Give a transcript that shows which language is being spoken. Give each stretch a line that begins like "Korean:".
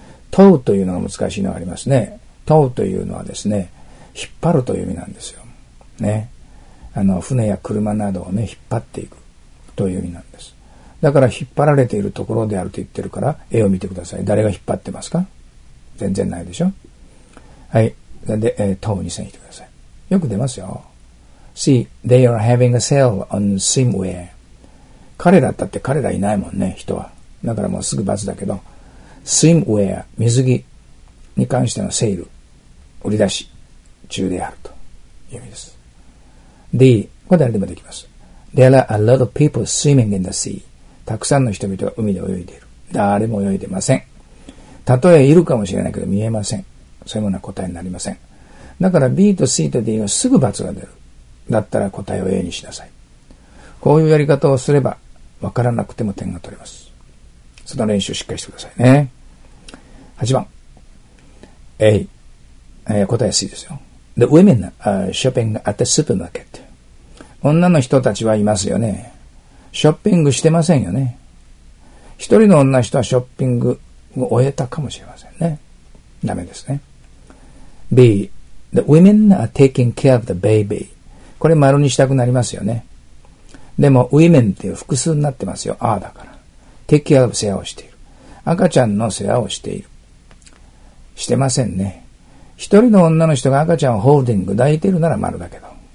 Japanese: Tow というのが難しいのがありますね。Tow というのはですね、引っ張るという意味なんですよね。船や車などをね、引っ張っていくという意味なんです。だから引っ張られているところであると言ってるから、絵を見てください。誰が引っ張ってますか？全然ないでしょ？はい。で、等に線引いてください。よく出ますよ。
English: C, they are having a sale on swimwear.
Japanese: 彼らだったって彼らいないもんね、人は。だからもうすぐ罰だけど、swimwear、水着に関してのセール。売り出し中であるという意味です。 D は誰でもできます。
English: There are a lot of people swimming in the sea.
Japanese: たくさんの人々が海で泳いでいる。誰も泳いでません。たとえいるかもしれないけど見えません。そういうものは答えになりません。だから B と C と D はすぐ罰が出る。だったら答えを A にしなさい。こういうやり方をすれば分からなくても点が取れます。その練習をしっかりしてくださいね。 8番。A。 答えやすいですよ。
English: The women are shopping at the supermarket.
Japanese: 女の人たちはいますよね。ショッピングしてませんよね。一人の女の人はショッピングを終えたかもしれませんね。ダメですね。B。
English: The women are taking care of the baby.
Japanese: これ丸にしたくなりますよね。でも、women っていう複数になってますよ。ああだから。take care of 世話をしている。赤ちゃんの世話をしている。してませんね。一人の女の人が赤ちゃんをホールディング抱いてるなら丸だけど。